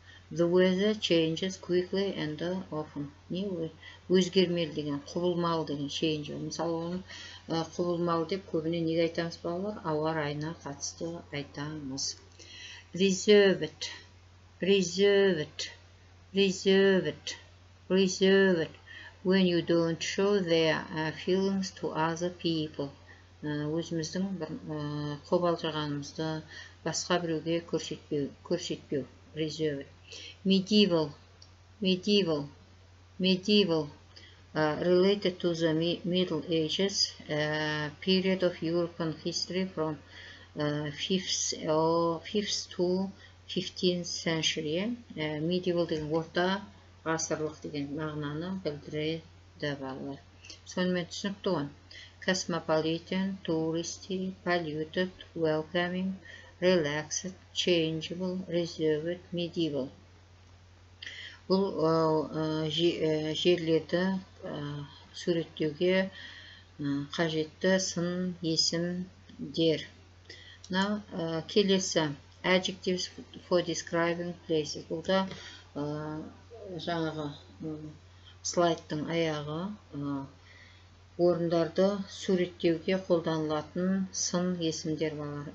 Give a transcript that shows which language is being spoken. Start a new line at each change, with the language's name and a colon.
English: The weather changes quickly and often.
Kazakh: Не өзгермел деген, құбылмал деген, change. Мысалы, оны құбылмал деп көбіне неге айтамыз балалар? Ауа райына қатысты айтамыз.
English: Reserve it, reserve it, reserve it, reserve it. When you don't show their feelings to other people.
Kazakh: Өзіміздің бір қобалжығанымызды басқа біреуге көрсетпеу.
English: Reserve it. Medieval, medieval, medieval, related to the Middle Ages, period of European history from 5th to 15th century.
Kazakh: Medieval деген орта ғасырлық деген мағынаны білдіреді балалар. Сонымен түсінікті оған.
English: Cosmopolitan, touristy, polluted, welcoming, relaxed, changeable, reserved, medieval.
Kazakh: Бұл жерлерді суреттеуге қажетті сын есімдер.
English: Now,
Kazakh: келесі
English: adjectives for describing places.
Kazakh: Бұл да жаңағы слайдтың аяғы орындарды суреттеуге қолданылатын сын есімдер балар.